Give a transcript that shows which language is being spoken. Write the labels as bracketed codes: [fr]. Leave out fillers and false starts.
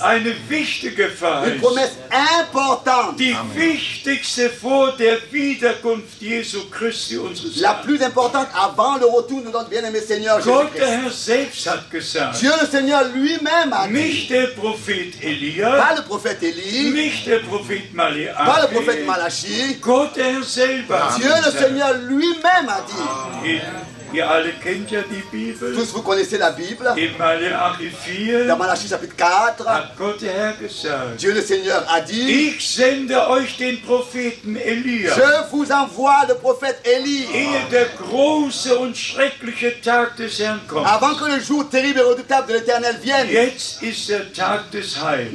[de] Eine wichtige Verheißung. [fr] Une promesse importante. [de] Die Amen. Wichtigste vor der Wiederkunft Jesu Christi unseres [fr] La plus importante avant le retour de notre bien-aimé Seigneur Jésus. [de] Gott der Herr selbst hat gesagt. [fr] Dieu le Seigneur lui-même a dit. [de] Nicht der Prophet Elia. [fr] Pas le prophète Élie. [de] Nicht der Prophet Malachi. [fr] Pas le prophète Malachi. [de] Gott der Herr selber. [fr] Dieu le Seigneur lui-même a dit. Amen. [de] Ihr alle kennt ja die Bibel. [fr] Tous vous connaissez la Bible. [de] In Malachi 4. [fr] Dans Malachi chapitre 4. [de] Hat Gott der Herr gesagt. [fr] Dieu le Seigneur a dit. [de] Ich sende euch den Propheten Elia. [fr] Je vous envoie le prophète Élie. [de] Ehe der große und schreckliche Tag des Herrn kommt. [fr] Avant que le jour terrible et redoutable de l'Éternel vienne. [de] Jetzt ist der Tag des Heils.